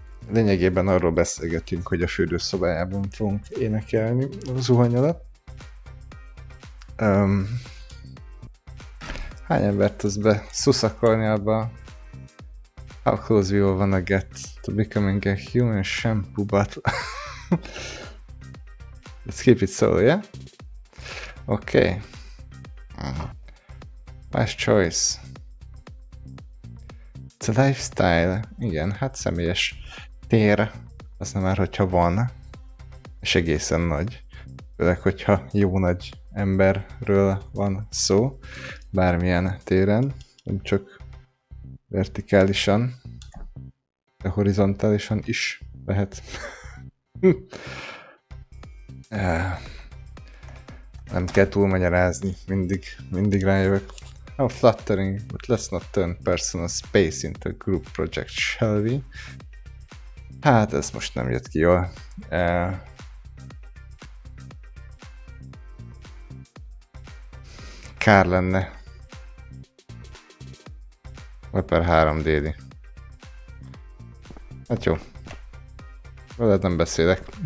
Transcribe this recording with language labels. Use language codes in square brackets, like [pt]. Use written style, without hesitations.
[hu] Lényegében arról beszélgetünk, hogy a fürdőszobájában fogunk énekelni a zuhany alatt. Hány embert tudsz be szuszakolni abba? [en] How close we all wanna get to becoming a human shampoo bottle? Let's keep it so, yeah? Okay. Last choice. It's a lifestyle. [hu] Igen, hát személyes tér. Az nem már, hogyha van. És egészen nagy. Főleg, hogyha jó nagy emberről van szó. Bármilyen téren. Nem csak vertikálisan. De horizontálisan is lehet. Nem kell túlmagyarázni, mindig rájövök. [en] I'm fluttering, but let's not turn personal space into a group project, shall we? [hu] Hát, ez most nem jött ki jól. Kár lenne. Weper 3D-di. Hát jó. Veled nem beszélek.